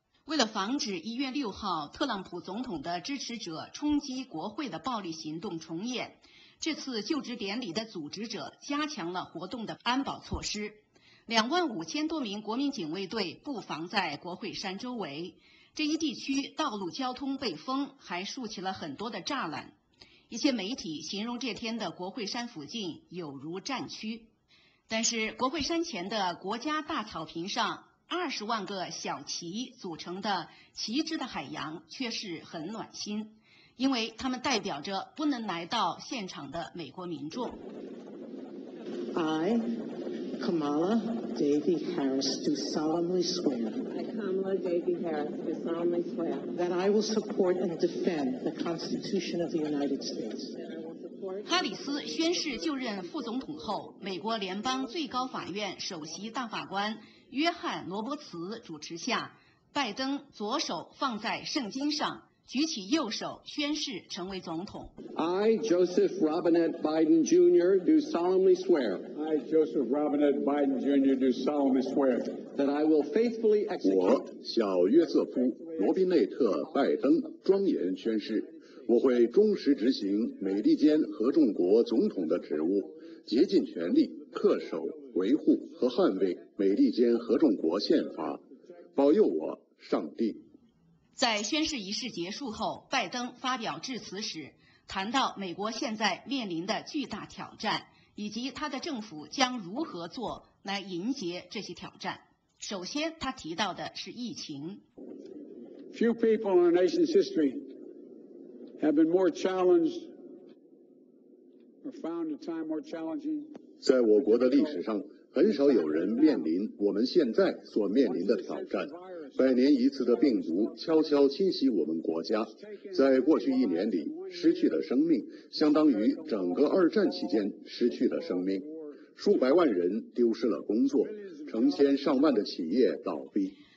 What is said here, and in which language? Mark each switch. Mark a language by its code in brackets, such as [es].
[zh] 为了防止1月6号特朗普总统的支持者冲击国会的暴力行动重演，这次就职典礼的组织者加强了活动的安保措施，25000多名国民警卫队布防在国会山周围，这一地区道路交通被封，还竖起了很多的栅栏，一些媒体形容这天的国会山附近有如战区。但是国会山前的国家大草坪上20万个小旗组成的旗帜的海洋却是很暖心，因为他们代表着不能来到现场的美国民众。 [en] I Kamala Davie Harris do solemnly swear that I will support and defend the Constitution of the United States。 [zh] 哈里斯宣誓就任副总统后，美国联邦最高法院首席大法官约翰·罗伯茨主持下，拜登左手放在圣经上，举起右手宣誓成为总统。 [en] I Joseph Robinette Biden Jr. do solemnly swear I Joseph Robinette Biden Jr. do solemnly swear that I will faithfully execute [zh] 我小约瑟夫罗宾内特拜登庄严宣誓，我会忠实执行美利坚合众国总统的职务，竭尽全力恪守维护和捍卫美利坚合众国宪法，保佑我上帝。在宣誓仪式结束后，拜登发表致辞时谈到美国现在面临的巨大挑战以及他的政府将如何做来迎接这些挑战。首先他提到的是疫情。 [en] Few people in our nation's history have been more challenged or found a time more challenging。 [zh] 在我国的历史上很少有人面临我们现在所面临的挑战。百年一次的病毒悄悄侵袭我们国家，在过去一年里失去的生命相当于整个二战期间失去的生命，数百万人丢失了工作，成千上万的企业倒闭。